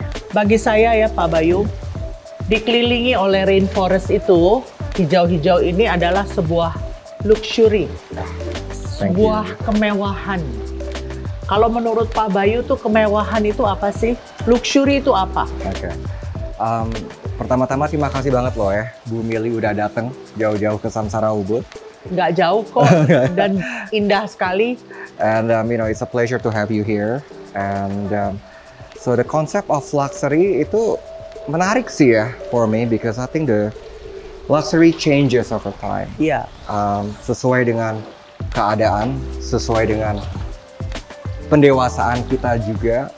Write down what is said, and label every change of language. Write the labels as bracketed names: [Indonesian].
[Indonesian] Bagi saya ya Pak Bayu, dikelilingi oleh rainforest itu, hijau-hijau ini adalah sebuah luxury, sebuah kemewahan. Kalau menurut Pak Bayu tuh kemewahan itu apa sih? Luxury itu apa? Oke. Pertama-tama terima kasih banget loh ya, Bu Millie udah datang jauh-jauh ke Samsara Ubud. Nggak jauh kok dan indah sekali. [English] And you know, it's a pleasure to have you here. And so the concept of luxury [Indonesian] itu menarik sih ya [English] for me, because I think the luxury changes over time. [Indonesian] Iya. Sesuai dengan keadaan, sesuai dengan pendewasaan kita juga.